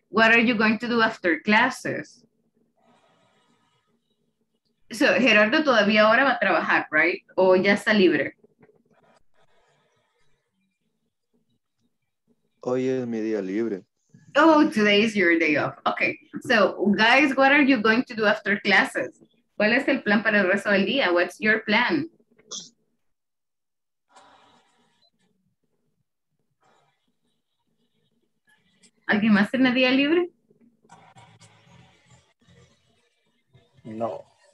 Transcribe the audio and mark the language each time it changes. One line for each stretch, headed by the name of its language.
English: What are you going to do after classes?
Spanish: So, Gerardo todavía ahora va a trabajar, right? O ya está libre. Hoy es mi día libre.
English: Oh, today is your day off. Okay. So, guys, what are you going to do after classes?
Spanish: ¿Cuál es el plan para el resto del día?
English: What's your plan?
Spanish: ¿Alguien más tiene día libre? No.